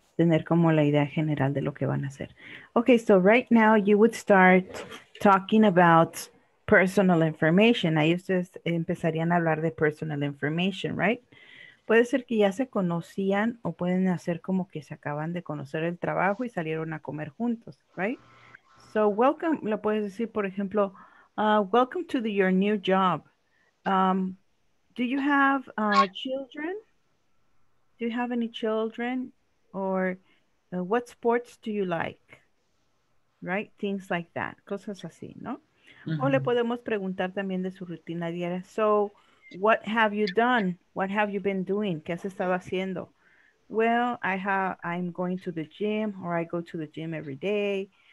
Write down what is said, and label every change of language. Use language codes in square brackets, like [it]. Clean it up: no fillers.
[es] tener como la idea general de lo que van a hacer. [en] Okay, so right now you would start talking about personal information. [es] Ahí ustedes empezarían a hablar de personal information, right? Puede ser que ya se conocían o pueden hacer como que se acaban de conocer el trabajo y salieron a comer juntos, right? [en] So welcome, [es] lo puedes decir, por ejemplo, [en] welcome to your new job. Do you have children? Do you have any children? Or what sports do you like? Right? Things like that. [es] Cosas así, ¿no? O le podemos preguntar también de su rutina diaria. [en] So, what have you done? What have you been doing? [es] ¿Qué has estado haciendo? [en] Well, I'm going to the gym, or I go to the gym every day.